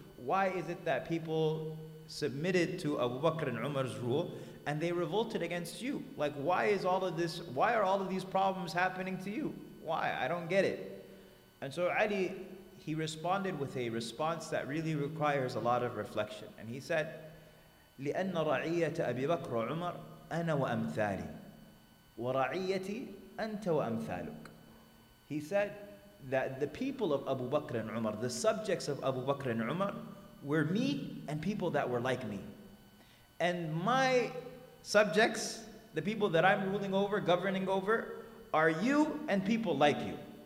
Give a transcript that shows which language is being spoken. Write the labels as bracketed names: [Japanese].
[English] Why is it that people submitted to Abu Bakr and Umar's rule and they revolted against you? Like, why is all of this, why are all of these problems happening to you? Why? I don't get it. And so Ali, he responded with a response that really requires a lot of reflection. And he said, [Arabic] لأن رعية أبي بكر وعمر أنا وأمثالي ورعيتي أنت وأمثالك. [English] He said that the people of Abu Bakr and Umar, the subjects of Abu Bakr and Umar, were me and people that were like me. And my subjects, the people that I'm ruling over, governing over, are you and people like you.